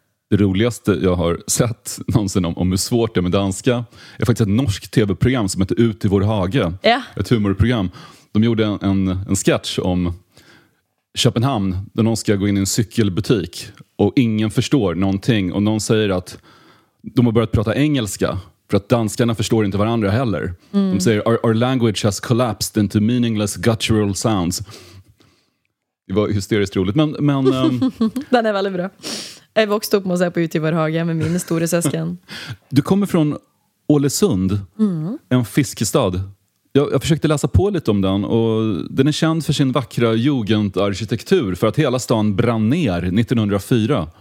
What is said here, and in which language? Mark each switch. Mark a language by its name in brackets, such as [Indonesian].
[Swedish] Det roligaste jag har sett någonsin om hur svårt det är med danska är faktiskt ett norsk tv-program som heter Ut i vår hage. Ja. Ett humorprogram. De gjorde en sketch om Köpenhamn där någon ska gå in i en cykelbutik och ingen förstår någonting. Och någon säger att de har börjat prata engelska för att danskarna förstår inte varandra heller. Mm. De säger [English] our language has collapsed into meaningless guttural sounds. [Swedish] Det var hysteriskt roligt, men den är väldigt bra. Jag växte upp med att se på Ut i vår hage med min stora syskon. Du kommer från Ålesund, en fiskestad. Jag försökte läsa på lite om den och den är känd för sin vackra jugendarkitektur för att hela stan brann ner 1904.